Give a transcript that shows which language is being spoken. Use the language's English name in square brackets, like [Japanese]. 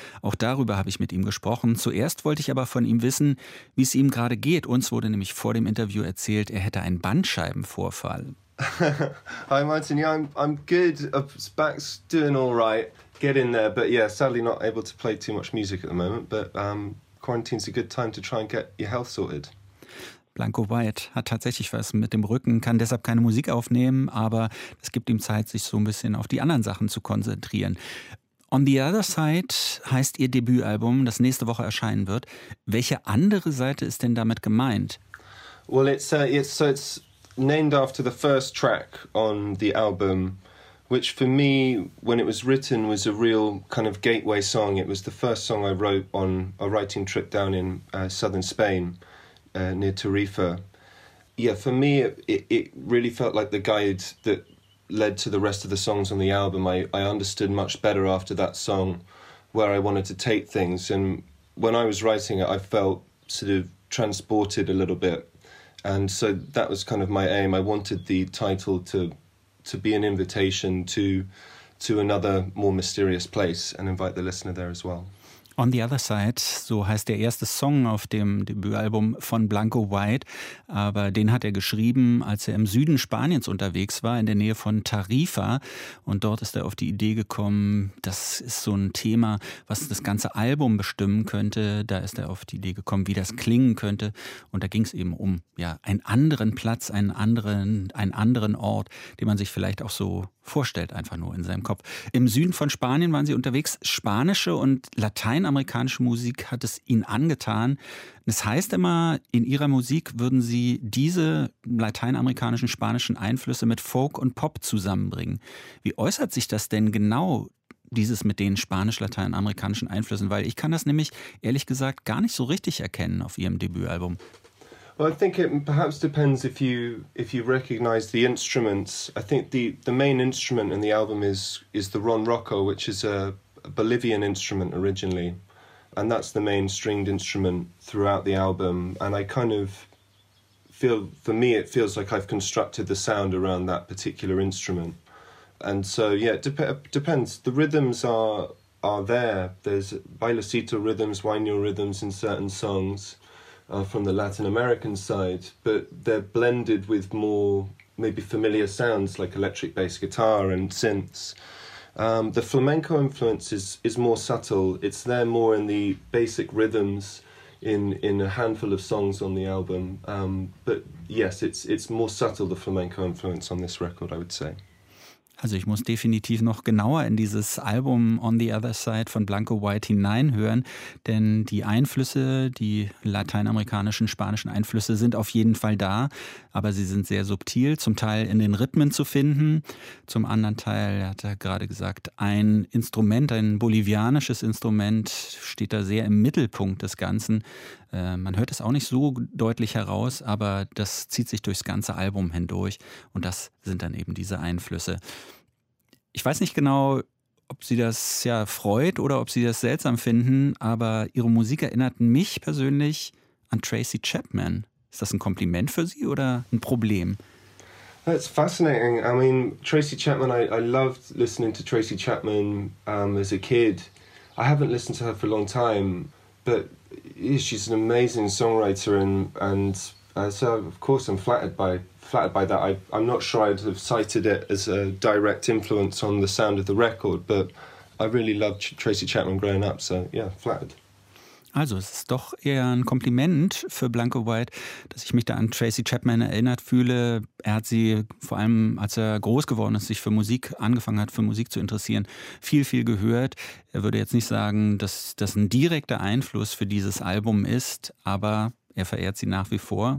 [German] Auch darüber habe ich mit ihm gesprochen. Zuerst wollte ich aber von ihm wissen, wie es ihm gerade geht. Uns wurde nämlich vor dem Interview erzählt, er hätte einen Bandscheibenvorfall. Hi Martin, yeah, I'm good. Back's doing all right. Get in there, but yeah, sadly not able to play too much music at the moment. But quarantine's a good time to try and get your health sorted. Blanco White hat tatsächlich was mit dem Rücken, kann deshalb keine Musik aufnehmen, aber es gibt ihm Zeit, sich so ein bisschen auf die anderen Sachen zu konzentrieren. On the Other Side heißt ihr Debütalbum, das nächste Woche erscheinen wird. Welche andere Seite ist denn damit gemeint? [English] Well, it's named after the first track on the album, which for me, when it was written, was a real kind of gateway song. It was the first song I wrote on a writing trip down in southern Spain. Near Tarifa. Yeah, for me, it really felt like the guide that led to the rest of the songs on the album. I understood much better after that song where I wanted to take things. And when I was writing it, I felt sort of transported a little bit. And so that was kind of my aim. I wanted the title to be an invitation to another more mysterious place and invite the listener there as well. [German] On the Other Side, so heißt der erste Song auf dem Debütalbum von Blanco White. Aber den hat er geschrieben, als er im Süden Spaniens unterwegs war, in der Nähe von Tarifa. Und dort ist er auf die Idee gekommen, das ist so ein Thema, was das ganze Album bestimmen könnte. Da ist er auf die Idee gekommen, wie das klingen könnte. Und da ging es eben um ja, einen anderen Platz, einen anderen Ort, den man sich vielleicht auch so vorstellt, einfach nur in seinem Kopf. Im Süden von Spanien waren sie unterwegs. Spanische und lateinamerikanische Musik hat es ihnen angetan. Es heißt immer, in ihrer Musik würden sie diese lateinamerikanischen, spanischen Einflüsse mit Folk und Pop zusammenbringen. Wie äußert sich das denn genau, dieses mit den spanisch-lateinamerikanischen Einflüssen? Weil ich kann das nämlich, ehrlich gesagt, gar nicht so richtig erkennen auf ihrem Debütalbum. [English] Well, I think it perhaps depends if you recognize the instruments. I think the main instrument in the album is the ronroco, which is a Bolivian instrument originally, and that's the main stringed instrument throughout the album. And I kind of feel, for me, it feels like I've constructed the sound around that particular instrument. And so, yeah, depends. The rhythms are there. There's bailecito rhythms, huayno rhythms in certain songs. From the Latin American side, but they're blended with more maybe familiar sounds like electric bass guitar and synths. The flamenco influence is more subtle. It's there more in the basic rhythms in a handful of songs on the album. But yes, it's more subtle, the flamenco influence on this record, I would say. [German] Also ich muss definitiv noch genauer in dieses Album On the Other Side von Blanco White hineinhören, denn die Einflüsse, die lateinamerikanischen, spanischen Einflüsse sind auf jeden Fall da, aber sie sind sehr subtil, zum Teil in den Rhythmen zu finden, zum anderen Teil, hat er gerade gesagt, ein Instrument, ein bolivianisches Instrument steht da sehr im Mittelpunkt des Ganzen. Man hört es auch nicht so deutlich heraus, aber das zieht sich durchs ganze Album hindurch und das sind dann eben diese Einflüsse. Ich weiß nicht genau, ob sie das ja freut oder ob sie das seltsam finden, aber ihre Musik erinnert mich persönlich an Tracy Chapman. Ist das ein Kompliment für sie oder ein Problem? [English] That's fascinating. I mean, Tracy Chapman, I loved listening to Tracy Chapman as a kid. I haven't listened to her for a long time, but she's an amazing songwriter and so of course I'm flattered by that. I'm not sure I'd have cited it as a direct influence on the sound of the record, but I really loved Tracy Chapman growing up, so yeah, flattered. [German] Also es ist doch eher ein Kompliment für Blanco White, dass ich mich da an Tracy Chapman erinnert fühle. Er hat sie vor allem, als er groß geworden ist, sich für Musik angefangen hat, für Musik zu interessieren, viel, viel gehört. Er würde jetzt nicht sagen, dass das ein direkter Einfluss für dieses Album ist, aber er verehrt sie nach wie vor.